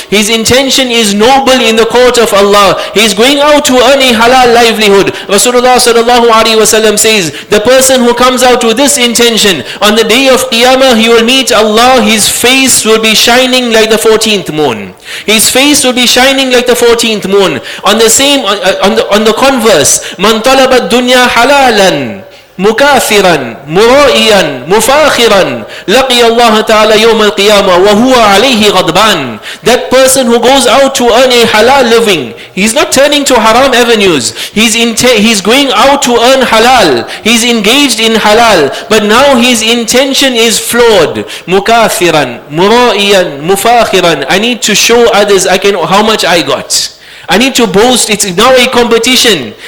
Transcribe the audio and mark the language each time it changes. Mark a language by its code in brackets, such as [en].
[en] His intention is noble in the court of Allah. He is going out to earn a halal livelihood. Rasulullah sallallahu alaihi wasallam says, the person who comes out with this intention, on the day of Qiyamah, he will meet Allah, his face will be shining like the 14th moon. His face will be shining like the 14th moon. On the converse, [ar] man talaba ad-dunya halalan مكافرا مرائيا مفاخرا لقي الله تعالى يوم القيامة وهو عليه غضبان. [en] That person who goes out to earn a halal living, he's not turning to haram avenues. He's going out to earn halal. He's engaged in halal, but now his intention is flawed. [ar] مكافرا مرائيا مفاخرا. [en] I need to show others how much I got. I need to boast, it's now a competition.